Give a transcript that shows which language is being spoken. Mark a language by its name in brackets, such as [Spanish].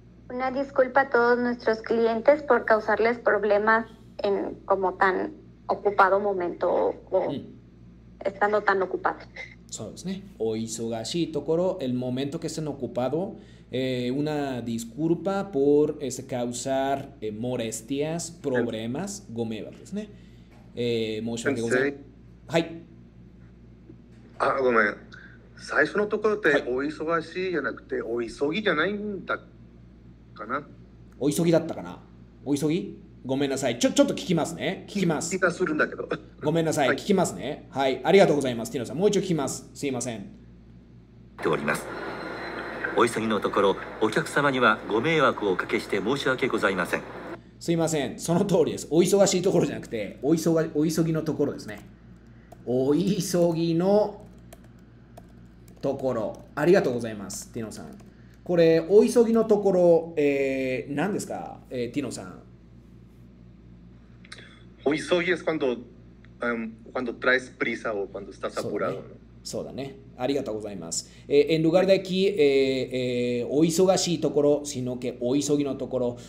[Spanish] Una disculpa a todos nuestros clientes por causarles problemas en como tan ocupado momento o estando tan ocupado. [Japanese] そうですね。お忙しいところ、 [Spanish] el momento que estén ocupado, una disculpa por ese causar molestias, problemas, [Japanese] ご迷惑ですね。申し訳ございません。はい。あ、ごめん。最初のところってお忙しいじゃなくて、お急ぎじゃないんだかな。お急ぎだったかな。お急ぎ？ごめんなさい。ちょっと聞きますね。聞きます。気がするんだけど。ごめんなさい。聞きますね。はい。ありがとうございます。ティノさん。もう一度聞きます。すいません。ております。お急ぎのところ、お客様にはご迷惑をおかけして申し訳ございません。すいません。その通りです。お忙しいところじゃなくて、お急ぎのところですね。お急ぎのところ。ありがとうございます。ティノさん。これ、お急ぎのところ、何ですか、ティノさん。お急ぎです。 [Spanish] cuando traes prisa o cuando estás apurado. [Japanese] そうだね。ありがとうございます。 [Spanish] En lugar de aquí, お忙しいところ、sino que お急ぎのところ。